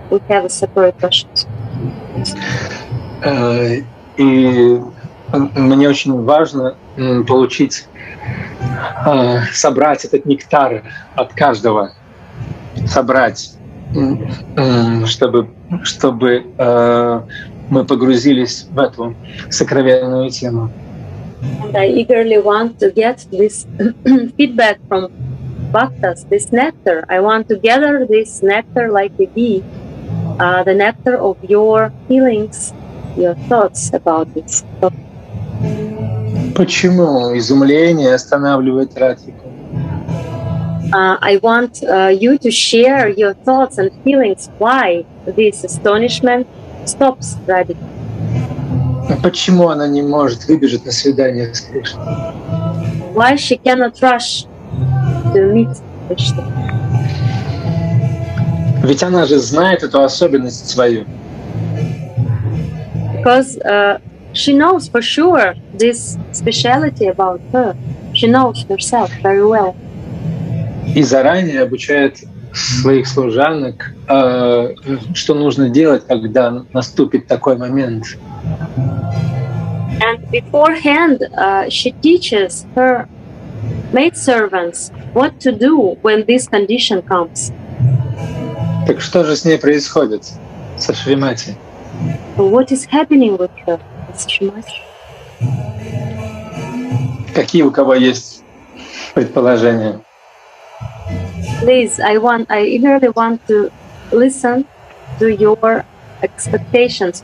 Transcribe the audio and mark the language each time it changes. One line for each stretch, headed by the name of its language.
English: We have a separate question.
Russian: И мне очень важно получить собрать этот нектар от каждого, собрать, чтобы мы погрузились в эту сокровенную тему.
English: And I eagerly want to get this feedback from bhaktas, this nectar. I want to gather this nectar like a bee, the nectar of your feelings, your thoughts about this.
Russian: Почему изумление останавливает радхику?
English: I want you to share your thoughts and feelings. Why this astonishment stops radhika?
Russian: Почему она не может выбежать на свидание с Кришной?
English: Why she cannot rush to meet Krishna?
Russian: Ведь она же знает эту особенность свою.
English: Because she knows for sure this speciality about her. She knows herself very well.
Russian: И заранее обучает своих служанок, что нужно делать, когда наступит такой момент.
English: And beforehand, she teaches her maidservants what to do when this condition comes.
Russian: Так что же с ней происходит, со Шримати?
English: What is happening with her, Шримати?
Russian: Какие у кого есть предположения?
English: Please, I eagerly want to listen to your expectations.